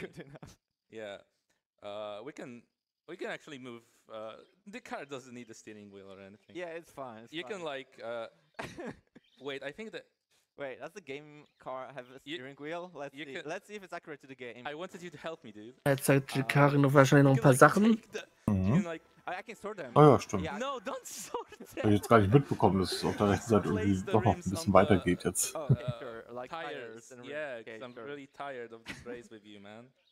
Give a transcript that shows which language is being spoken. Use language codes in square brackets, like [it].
[en] Good enough. Yeah. We can actually move. The car doesn't need a steering wheel or anything. Yeah, it's fine. It's you fine. Can, like, wait, I think that... Wait, does the game car have a steering wheel? Let's see if it's accurate to the game. I wanted you to help me, dude. [de] Jetzt zeigt die Karre noch wahrscheinlich noch ein paar Sachen. [en] I can sort them. [de] Ah ja, stimmt. [en] No, don't sort them. [de] Ich habe jetzt gar nicht mitbekommen, dass es auf der rechten Seite irgendwie doch noch ein bisschen weitergeht jetzt. [en] Tires. Yeah, because I'm really tired of this race with you, man.